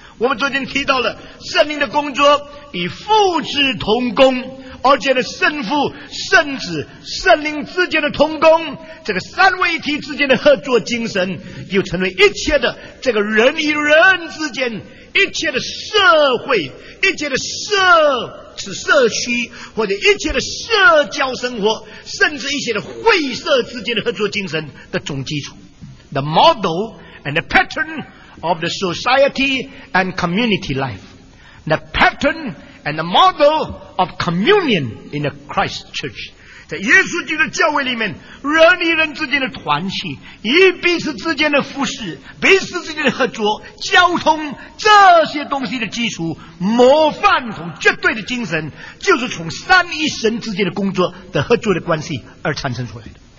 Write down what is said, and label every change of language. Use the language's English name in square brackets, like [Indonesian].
[Chinese] 我们昨天提到了圣灵的工作与父子同工，而且呢，圣父、圣子、圣灵之间的同工，这个三位一体之间的合作精神，又成为一切的这个人与人之间，一切的社会，一切的社区，或者一切的社交生活，甚至一切的会社之间的合作精神的总基础。 [English] The model and the pattern of the society and community life. The pattern and the model of communion in the Christ Church. [Chinese] 在耶稣基督的教会里面，人与人之间的团契，与彼此之间的服侍，彼此之间的合作交通，这些东西的基础模范同绝对的精神，就是从三一神之间的工作的合作的关系而产生出来的。